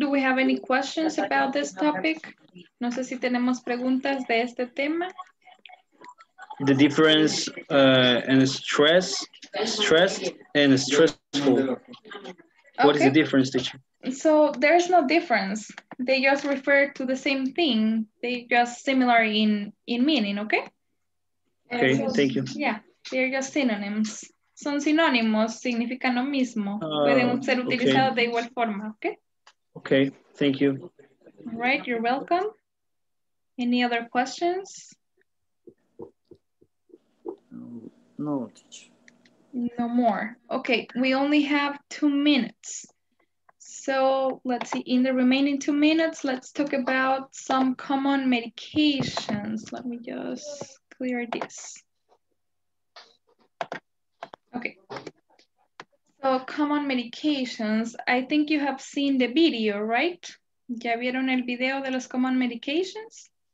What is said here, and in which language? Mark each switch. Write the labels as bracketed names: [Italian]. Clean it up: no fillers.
[English] Do we have any questions about this topic? [Spanish] No sé si tenemos preguntas de este tema. [English] The difference in stressed and stressful. What is the difference, teacher? So there's no difference. They just refer to the same thing. They just similar in meaning, okay? Okay, so, thank you. Yeah, they're just synonyms. [Spanish] Son sinónimos, significan lo mismo. Pueden ser utilizados de igual forma, okay? [English] Okay, thank you. All right, you're welcome. Any other questions? No. No more. Okay, we only have 2 minutes. So let's see, in the remaining 2 minutes, let's talk about some common medications. Let me just clear this. Okay, so common medications. I think you have seen the video, right? [Spanish] ¿Ya vieron el video de los common medications?